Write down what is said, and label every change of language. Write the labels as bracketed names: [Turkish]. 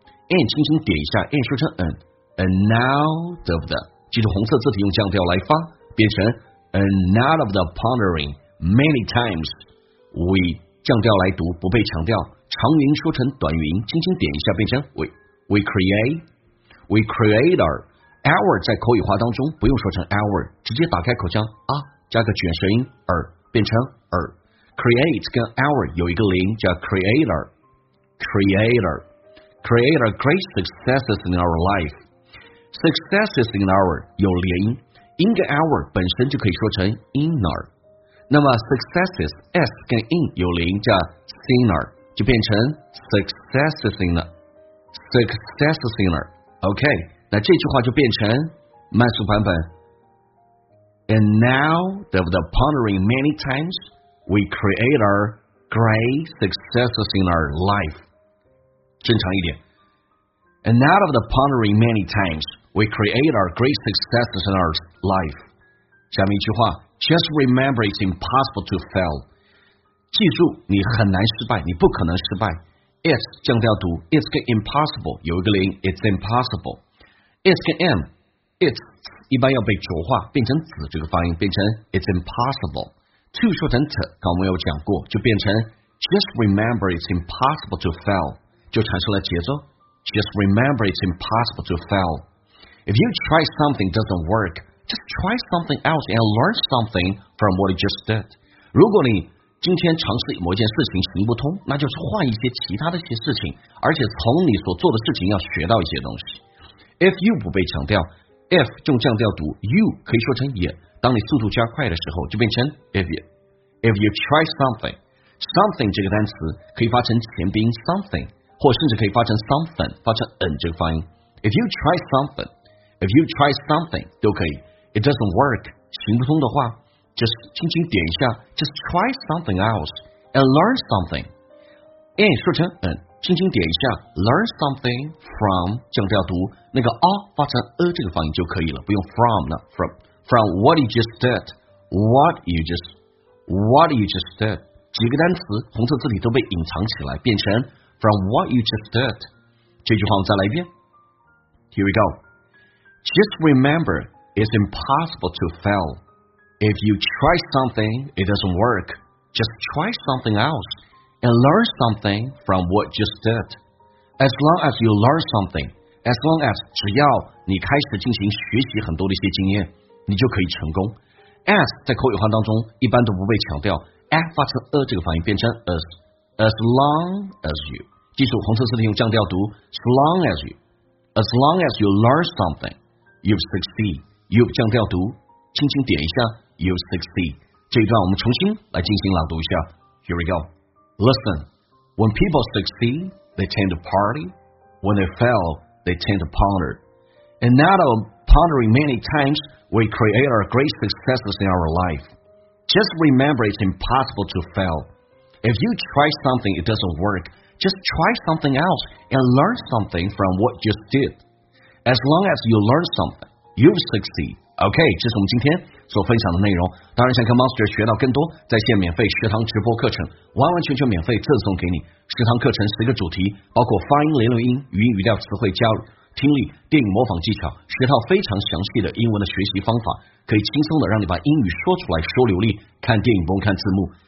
[Chinese] and 轻轻点一下， and 说成 and， [English] and out of the， [Chinese] 记住红色字体用降调来发，变成 [English] and out of the pondering many times we [Chinese] 降调来读，不被强调，长元说成短元，轻轻点一下，变成 [English] we create our， [Chinese] 在口语化当中不用说成 our， 直接打开口腔啊，加个卷舌音而变成 er。 create 跟 our 有一个连音叫 [English] creator great successes in our life， successes in our [Chinese] 有连音，in 跟 our 本身就可以说成 inner， 那么 successes s 跟 in 有连音叫 sinner， 就变成 [English] successes inner。 [Chinese] OK， 那这句话就变成慢速版本。 [English] And now of the pondering many times we create our great successes in our life， [Chinese] 正常一点。 [English] And now of the pondering many timesWe create our great successes in our life. [Chinese] 下面一句话， [English] Just remember it's impossible to fail. [Chinese] 记住你很难失败，你不可能失败。 It's 降调读， [English] It's impossible [Chinese] 有一个连音， It's impossible. It's M， It's 一般要被浊化变成子，这个发音变成 [English] It's impossible. [Chinese] To 说成 T， 刚我有讲过，就变成 [English] Just remember it's impossible to fail， [Chinese] 就产生了节奏。 [English] Just remember it's impossible to failIf you try something doesn't work, just try something else and learn something from what you just did. [Chinese] 如果你今天尝试某件事情行不通，那就是换一些其他的一些事情，而且从你所做的事情要学到一些东西。 [English] If you [Chinese] 不被强调， if 用降调读， you 可以说成 yet， 当你速度加快的时候就变成 if you。 [English] If you try something， [Chinese] something 这个单词可以发成前鼻音 something， 或甚至可以发成 something， 发成 n 这个发音。 [English] If you try somethingIf you try something, [Chinese] 都可以。 [English] It doesn't work, [Chinese] 行不通的话， [English] just [Chinese] 轻轻点一下， [English] just try something else, and learn something. [Chinese] And 说成 and, 轻轻点一下， [English] learn something from, [Chinese] 降调读，那个 a 发成 a 这个发音就可以了，不用 from, 那 [English] from what you just did, [Chinese] what you just did, 几个单词红色字体都被隐藏起来，变成 from what you just did. 这句话我再来一遍。 [English] Here we go.Just remember, it's impossible to fail. If you try something, it doesn't work. Just try something else and learn something from what just did. As long as you learn something, as long as [Chinese] 只要你开始进行学习很多的一些经验，你就可以成功。 As 在口语化当中一般都不被强调 ，as 发成 a 这个发音变成 as。 [English] As long as you， [Chinese] 记住红色字体用降调读 ，as long as you。 [English] As long as you learn something, you succeed. [Chinese] You 降调读，轻轻点一下 ， [English] you succeed. [Chinese] 这一段我们重新来进行朗读一下。 [English] Here we go. Listen. When people succeed, they tend to party. When they fail, they tend to ponder. And out of pondering many times, we create our great successes in our life. Just remember, it's impossible to fail. If you try something, it doesn't work. Just try something else and learn something from what you just did. As long as you learn something, you succeed. [Chinese] OK, 这是我们今天所分享的内容。当然想跟 Monster 学到更多，在线免费学堂直播课程，完完全全免费赠送给你。食堂课程十个主题，包括发音、连读音、语音、语调、词汇、加入听力、电影模仿技巧，学套非常详细的英文的学习方法，可以轻松的让你把英语说出来，说流利，看电影不用看字幕。